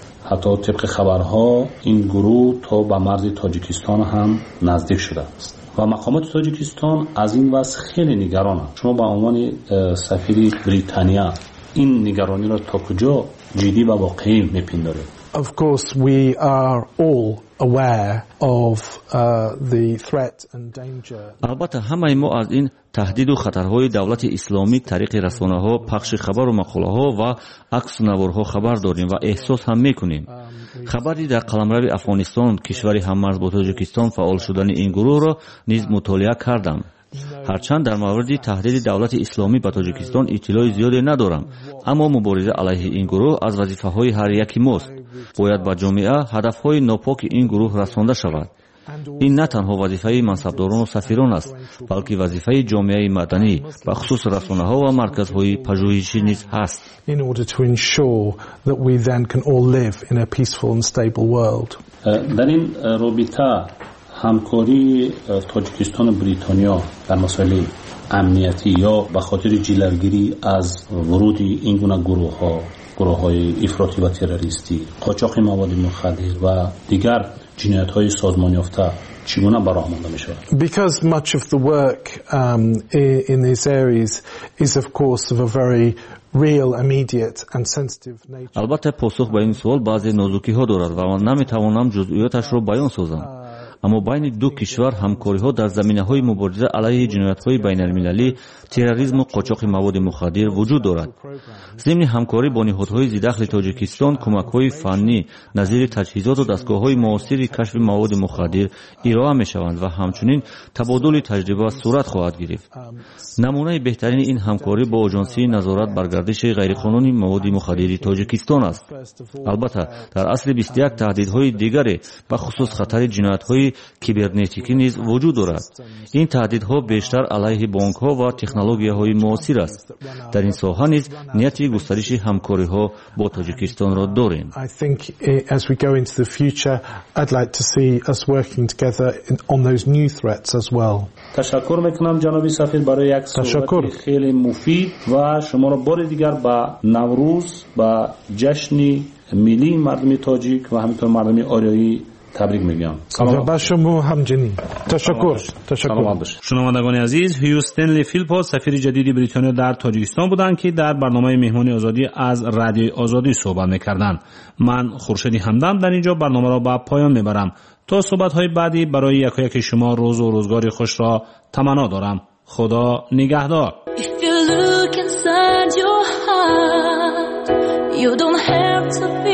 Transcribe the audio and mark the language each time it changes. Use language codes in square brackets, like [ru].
[fa] حتی طبق خبرها این گروه تا به مرز تاجیکستان هم نزدیک شده است و مقامات تاجیکستان از این وضع خیلی نگران هست. شما به عنوان سفیر بریتانیا این نگرانی را تا کجا جدی و واقعی می پندارید؟ [en] Of course we are all aware of the threat and danger. [fa] البته همه ما از این تهدید و خطرهای دولت اسلامی طریق رسانه ها، پخش خبر و مقاله ها و عکس نوار ها خبر داریم و احساس هم میکنیم. خبری در قلمرو افغانستان کشوری هممرز با تاجیکستان فعال شدن این گروه را نیز مطالعه کردم. هرچند در مورد تهدید دولت اسلامی به تاجیکستان اطلاع زیادی ندارم، اما مبارزه علیه این گروه از وظیفه های هر یکی ماست. باید به جامعه هدف های ناپاک این گروه رسانده شود. این نه تنها وظیفه منصبداران و سفیران است، بلکه وظیفه جامعه مدنی و خصوص رسانه ها و مرکز های پژوهشی نیز هست. [en] In order to ensure that we then can all live in a peaceful and stable world. [fa] در این رابطه همکاری تاجیکستان و بریتانیا در مسائل امنیتی یا به خاطر جلوگیری از ورود این گونه گروه ها، گروه های افراطی و تروریستی، قاچاق مواد مخدر و دیگر جنایت های سازمان یافته چگونه براه مانده می شود؟ [en] Because much of the work in these areas is of course of a very real immediate and sensitive nature. [fa] البته پاسخ به این سوال بعضی نازکی ها دارد و من نمی توانم جزئیاتش را بیان سازم، اما بین دو کشور همکاری ها در زمینه های مبارزه علیه جنایت های بین المللی، تروریسم و قاچاق مواد مخدر وجود دارد. ضمن همکاری با نهادهای ذی‌دخل تاجیکستان، کمک های فنی نظیر تجهیزات و دستگاه های موثر کشف مواد مخدر ارائه می شوند و همچنین تبادل تجربه صورت خواهد گرفت. نمونه بهترین این همکاری با آژانس نظارت بر گردش غیرقانونی مواد مخدر تاجیکستان است. البته در اصل 21 تهدیدهای دیگر به خصوص خطر جنایت های کیبرنتیکی نیز وجود دارد. این تهدیدها بیشتر علیه بانک ها و تکنولوژی های موثر است. در این ساحه نیز نیت گسترش همکاری ها با تاجیکستان را داریم. [en] I think as we go into the future I'd like to see us working together on those new threats as well. [fa] تشکر میکنم جناب سفیر برای یک صحبت خیلی مفید و شما را بار دیگر با نوروز، با جشن ملی مردم تاجیک و همینطور مردم آریایی تبریک میگم. سلام به شما همجنین. تشکر. شنوندگان عزیز، هیو استنلی فیلپو سفیر جدید بریتانیا در تاجیکستان بودند که در برنامه مهمانی آزادی از رادیو آزادی صحبت میکردند. من خورشید همدم در اینجا برنامه را به پایان میبرم. تا صحبت های بعدی برای یک و یک شما روز و روزگاری خوش را تمنا دارم. خدا نگهدار. [en] If you look inside your heart, you don't have to